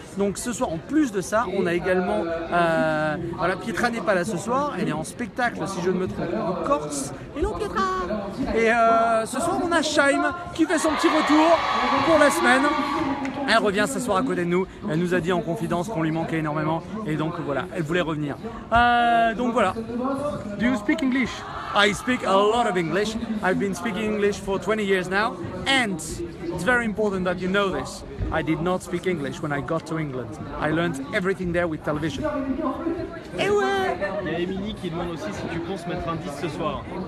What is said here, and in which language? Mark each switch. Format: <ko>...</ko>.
<fr>Donc ce soir, en plus de ça, on a également... voilà, Pietra n'est pas là ce soir, elle est en spectacle, si je ne me trompe, en Corse. Hello Pietra. Et ce soir, on a Shaim qui fait son petit retour pour la semaine. Elle revient s'asseoir à côté de nous. Elle nous a dit en confidence qu'on lui manquait énormément. Et donc voilà, elle voulait revenir. Donc voilà.</fr> <en>Do you speak English? I speak a lot of English. I've been speaking English for 20 years now. And it's very important that you know this. I did not speak English when I got to England. I learned everything there with television.</en> <fr>Et ouais! Il y a Émilie qui demande aussi si tu penses mettre un 10 ce soir.</fr>